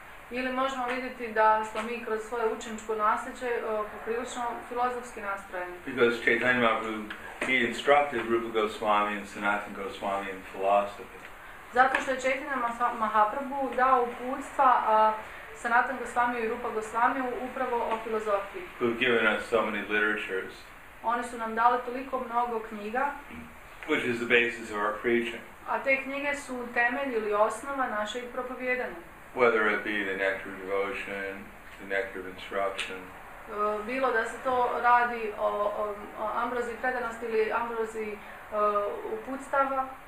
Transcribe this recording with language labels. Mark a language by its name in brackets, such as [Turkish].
[Bosnian] Ili možemo vidjeti da smo mi kroz svoje učeničko nasljeđe poprilično filozofski nastrojeni. [English] Because Chaitanya Mahaprabhu, he instructed Rupa Goswami and Sanatana Goswami in philosophy. [Bosnian] Zato što je Chaitanya Mahaprabhu dao uputstva Sanatana Goswami i Rupa Goswami upravo o filozofiji. [English] Who have given us so many literatures. [Bosnian] Oni su nam dali toliko mnogo knjiga. [English] Which is the basis of our preaching. [Bosnian] A te knjige su temelj ili osnova našeg propovjedanja. [English] Whether it be the nectar of devotion, the nectar of instruction. [Bosnian] Bilo da se to radi o ambrozi predanosti ili ambrozi uputstava.